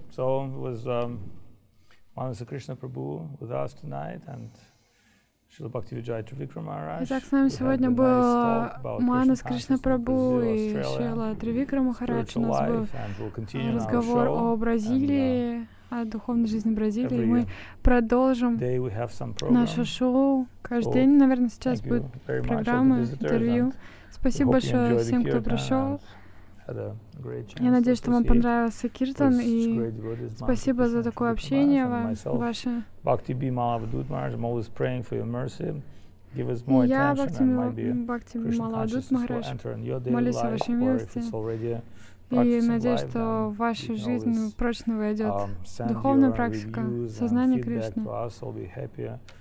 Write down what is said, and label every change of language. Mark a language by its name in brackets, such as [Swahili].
[English] So it was Manasa Krishna Prabhu with us tonight and Shri Bhakti Vijay Trivikram Maharaj. [Russian] Итак, с нами сегодня был Манас Кришна Прабу и Шрила Тривикрам Махарадж. У нас был разговор о Бразилии, о духовной жизни Бразилии. Мы продолжим наше шоу. Каждый день, наверное, сейчас будет программа, интервью. Спасибо большое всем, кто пришел. Я надеюсь, что вам понравился киртан, и спасибо за такое общение ваше. [English] Bhakti Bimalabhadut Maharaj, I'm always praying for your mercy. Give us more attention, and might be Krishna consciousness will enter in your daily life, or if it's already a practice in life, then send your reviews and feedback to us, we'll be happier.